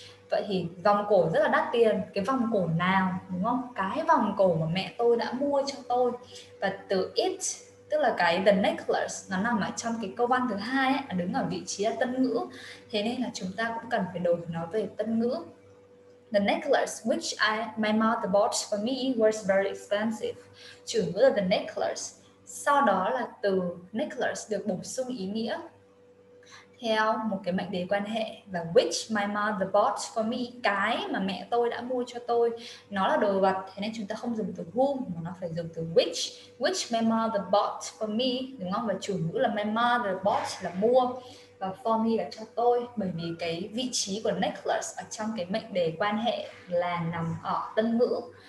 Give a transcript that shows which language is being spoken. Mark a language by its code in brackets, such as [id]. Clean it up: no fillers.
[vi] Vậy thì vòng cổ rất là đắt tiền, cái vòng cổ nào, đúng không? Cái vòng cổ mà mẹ tôi đã mua cho tôi. Và từ it, tức là cái the necklace, nó nằm ở trong cái câu văn thứ hai ấy, đứng ở vị trí là tân ngữ. Thế nên là chúng ta cũng cần phải đổi nó về tân ngữ. [en] The necklace which my mother bought for me was very expensive. [vi] Chủ ngữ là the necklace. Sau đó là từ necklace được bổ sung ý nghĩa theo một cái mệnh đề quan hệ. Và [en] which my mother bought for me, [vi] cái mà mẹ tôi đã mua cho tôi, nó là đồ vật. Thế nên chúng ta không dùng từ whom, mà nó phải dùng từ which. [en] Which my mother bought for me, [vi] đúng không? Và chủ ngữ là [en] my mother bought [vi] là mua, và for me là cho tôi, bởi vì cái vị trí của necklace ở trong cái mệnh đề quan hệ là nằm ở tân ngữ.